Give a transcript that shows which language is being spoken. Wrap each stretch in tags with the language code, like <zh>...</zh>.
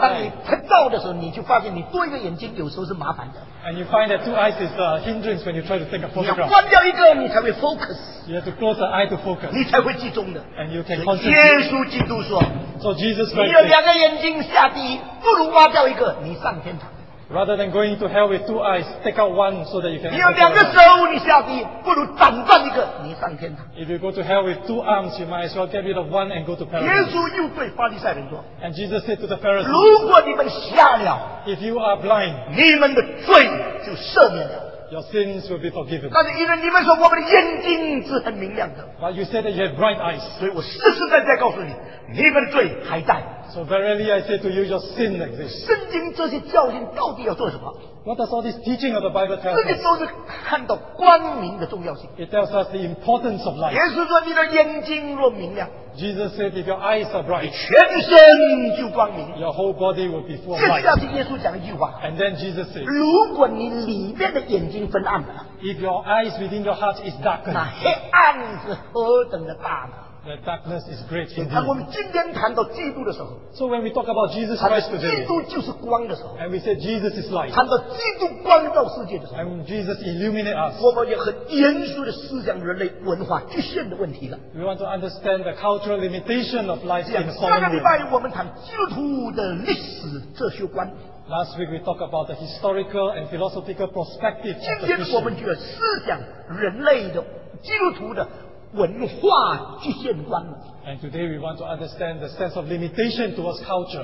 <zh>当你看到的时候，你就发现你多一个眼睛有时候是麻烦的。</zh> <en>And you find that two eyes is a hindrance when you try to take a photograph.</en> <zh>你要关掉一个，你才会 focus.</zh> <en>You have to close the eye to focus.</en> <zh>你才会集中的。</zh> <en>And you can concentrate.</en> <zh>耶稣基督说，</zh> <en>So Jesus Christ.</en> <zh>你有两个眼睛下地，不如挖掉一个，你上天堂。</zh> <en>Rather than going to hell with two eyes, take out one so that you can.</en> <zh>你有两个手，你下地，不如斩断一个，你上天堂。</zh> <en>If you go to hell with two arms, you might as well get rid of one and go to paradise.</en> <zh>耶稣又对法利赛人说，</zh> <en>And Jesus said to the Pharisees,</en> <zh>如果你们瞎了，</zh> <en>If you are blind,</en> <zh>你们的罪就赦免了。</zh> <en>Your sins will be forgiven.</en> <zh>但是因为你们说我们的眼睛是很明亮的。</zh> <en>But you said that you have bright eyes.</en> <zh>所以我实实在在告诉你， 你们的罪还在。</zh> <en>So verily I say to you, your sin exists.</en> <zh>圣经这些教训到底要做什么？</zh> <en>What does all this teaching of the Bible tell us?</en> <zh>这些都是看到光明的重要性。</zh> <en>It tells us the importance of life.</en> <zh>耶稣说你的眼睛若明亮，</zh> <en>Jesus said, if your eyes are bright,</en> <zh>全身就光明，</zh> <en>your whole body will be full of light.</en> <zh>这下是耶稣讲的一句话。</zh> <en>And then Jesus said,</en> <zh>如果你里面的眼睛昏暗了，</zh> <en>if your eyes within your heart is darkened,</en> <zh>那黑暗是何等的大呢？</zh> <en>That darkness is great indeed.</en> <zh>当我们今天谈到基督的时候，</zh> <en>So when we talk about Jesus Christ today,</en> <zh>谈到基督就是光的时候，</zh> <en>And we said Jesus is light,</en> <zh>谈到基督光照世界的时候，</zh> <en>And Jesus illuminate us,</en> <zh>我们也很严肃地思想人类文化局限的问题了。</zh> <en>We want to understand the cultural limitation of life in the fallen world.</en> <zh>下个礼拜我们谈基督徒的历史哲学观。</zh> <en>Last week we talked about the historical and philosophical perspective of the Christian.</en> <zh>今天我们就要思想人类的基督徒的 文化局限观。</zh> <en>And today we want to understand the sense of limitation towards culture.</en>